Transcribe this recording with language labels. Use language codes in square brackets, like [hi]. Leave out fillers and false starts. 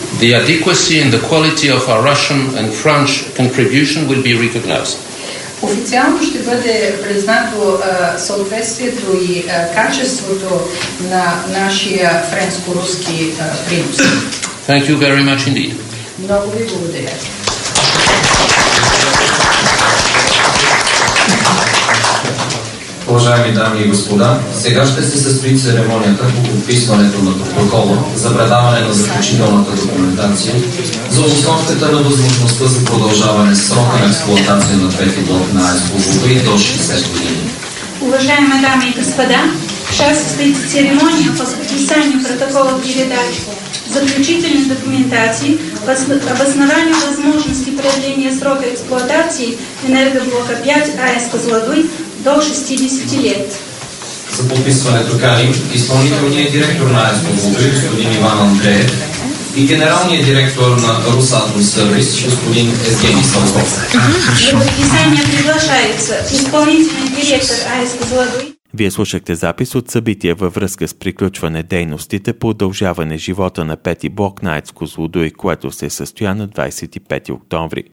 [en] the adequacy and the quality of our Russian and French contribution will be recognized. [bg] Официално ще бъде признато съответствието и качеството на нашия френско-руски принос. [en] Thank you very much indeed. [bg] Много ви благодаря. Уважаеми дами и господа, сега ще се състои церемонията по подписването на протокола за предаване на заключителната документация за обосновката на възможността за продължаване срока на експлоатация на пети блок на АЕЦ Козлодуй до 60 години. [ru] Уважаеми дами и господа, сейчас состоит церемония по подписанию протокола передачи заключительной документации об основании возможности продления срока эксплуатации энергоблока 5 АЭС Козлодуй до 60 лет. [bg] За подписването каним изпълнителния директор на АЕС Козлодуй господин Иван Андреев и генералния директор на Русатом Сервис господин Евгений Салков. [ru] За подписание приглашается изпълнительный директор [bg] АЕС Козлодуй. Вие слушахте запис от събития във връзка с приключване дейностите по удължаване живота на пети блок на АЕЦ Козлодуй, което се състоя на 25 октомври.